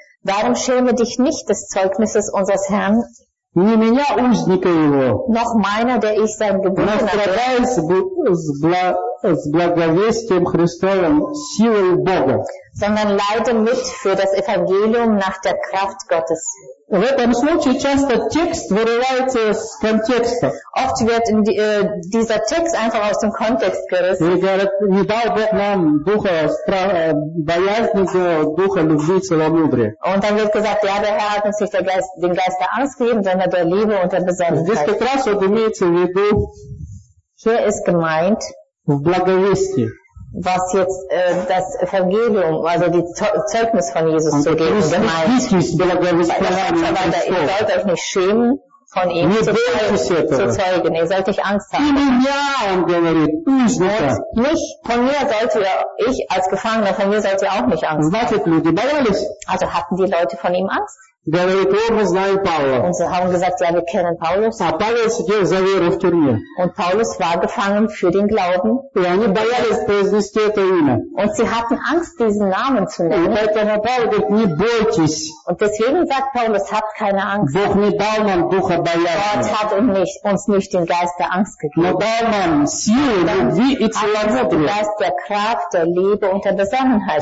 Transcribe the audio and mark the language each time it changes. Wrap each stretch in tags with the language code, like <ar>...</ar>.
<de>Darum schäme dich nicht des Zeugnisses unseres Herrn.</de> <ru>Не меня узника его.</ru> <de>Noch meiner, der ich sein Gebundener bin.</de> <ru>Но страдай с благовестием Христовым силой Бога.</ru> <de>Sondern leide mit für das Evangelium nach der Kraft Gottes.</de> <ru>В этом случае часто текст вырывается из контекста.</ru> <de>Oft wird dieser Text einfach aus dem Kontext gerissen.</de> <ru>И говорят, не дал Бог нам духа боязни, духа любви и целомудрия.</ru> <de>Und dann wird gesagt, ja, der Herr hat uns nicht den Geist der Angst gegeben, sondern der Liebe und der Besonnenheit.</de> <ru>Здесь как раз вот имеется в виду.</ru> <de>Hier ist gemeint.</de> <ru>В благовестии.</ru> <de>Was jetzt das Evangelium, also die Zeugnis von Jesus und zu geben, gemeint. Ist wichtig, weil das heißt, ihr sollt euch nicht schämen, von ihm zu zeugen. Ihr sollt nicht Angst haben. Und nicht von mir sollte ich als Gefangener, von mir sollt ihr auch nicht Angst haben. Also hatten die Leute von ihm Angst?</de> <ru>Говорит, о, мы знаем Павла.</ru> <de>Und sie haben gesagt, ja, wir kennen Paulus.</de> <ru>А Павел сидел за веру в тюрьме.</ru> <de>Und Paulus war gefangen für den Glauben.</de> <ru>И они боялись произнести это имя.</ru> <de>Und sie hatten Angst, diesen Namen zu nennen.</de> <ru>И поэтому Павел говорит, не бойтесь.</ru> <de>Und deswegen sagt Paulus, habt keine Angst.</de> <ru>Бог не дал нам духа боязни.</ru> <de>Gott hat uns nicht den Geist der Angst gegeben.</de> <ru>Но дал нам силу, любви и целомудрия.</ru> <de>Den Geist der Kraft, der Liebe und der Besonnenheit.</de>